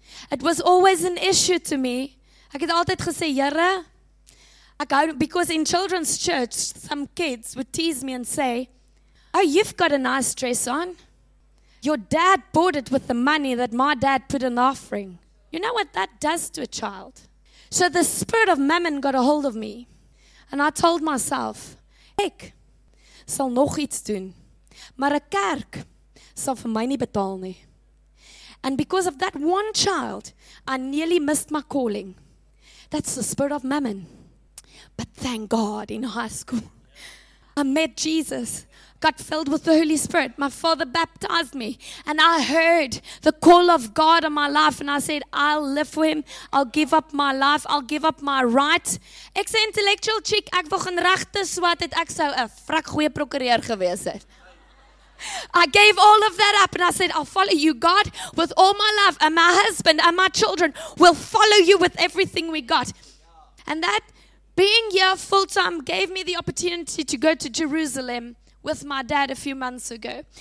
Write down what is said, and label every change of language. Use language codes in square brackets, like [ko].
[en] It was always an issue to me. [af] Ek het altyd gesê, Here, [en] because in children's church, some kids would tease me and say, oh, you've got a nice dress on. Your dad bought it with the money that my dad put in the offering. You know what that does to a child? So the spirit of mammon got a hold of me. And I told myself, [af] ek sal nog iets doen. Maar 'n kerk sal vir my nie betaal nie. [en] And because of that one child, I nearly missed my calling. That's the spirit of mammon. But thank God, in high school, I met Jesus, got filled with the Holy Spirit. My father baptized me, and I heard the call of God on my life, and I said, I'll live for him. I'll give up my life. I'll give up my right. [af] Ek sê [en] intellectual chick, [af] ek wil gaan regte swat het, ek sou 'n vrek goeie prokureur gewees het. [en] I gave all of that up and I said, I'll follow you, God, with all my love, and my husband and my children will follow you with everything we got. And that being here full time gave me the opportunity to go to Jerusalem with my dad a few months ago.